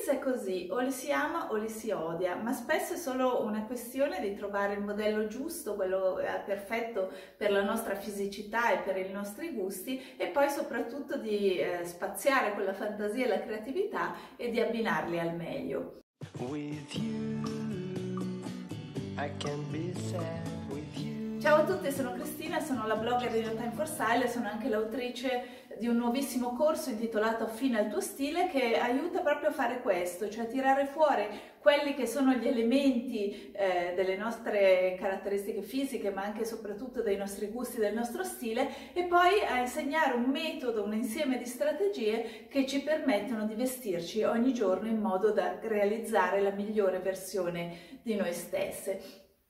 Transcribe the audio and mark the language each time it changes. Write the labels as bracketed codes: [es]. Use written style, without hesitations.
[it] è così, o li si ama o li si odia, ma spesso è solo una questione di trovare il modello giusto, quello perfetto per la nostra fisicità e per i nostri gusti, e poi soprattutto di spaziare quella fantasia e la creatività e di abbinarli al meglio. [en] With you, I can be sad with you. [it] Ciao a tutti, sono Cristina, sono la blogger di No Time for Style e sono anche l'autrice di un nuovissimo corso intitolato Affina il tuo stile, che aiuta proprio a fare questo, cioè a tirare fuori quelli che sono gli elementi delle nostre caratteristiche fisiche, ma anche e soprattutto dei nostri gusti, del nostro stile, e poi a insegnare un metodo, un insieme di strategie che ci permettono di vestirci ogni giorno in modo da realizzare la migliore versione di noi stesse.